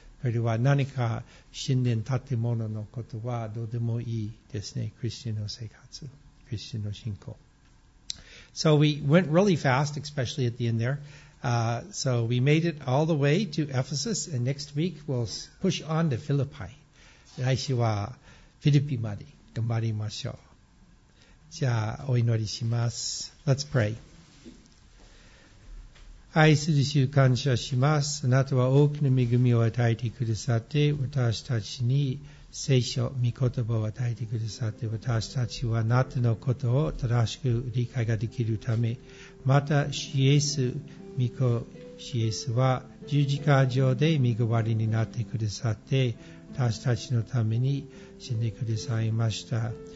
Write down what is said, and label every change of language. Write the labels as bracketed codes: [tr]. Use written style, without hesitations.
[ja] それは何か神殿建物のことはどうでもいいですね。クリスチャンの生活、クリスチャンの信仰。 [en] So we went really fast, especially at the end there. So we made it all the way to Ephesus, and next week we'll push on to Philippi. [ja] 来週はフィリピまで頑張りましょう。じゃあお祈りします。 [en] Let's pray. [ja] 愛する主、感謝します。あなたは大きな恵みを与えてくださって、私たちに聖書、御言葉を与えてくださって、私たちはあなたのことを正しく理解ができるため、また、主イエス、御子、主イエスは十字架上で身代わりになってくださって、私たちのために死んでくださいました。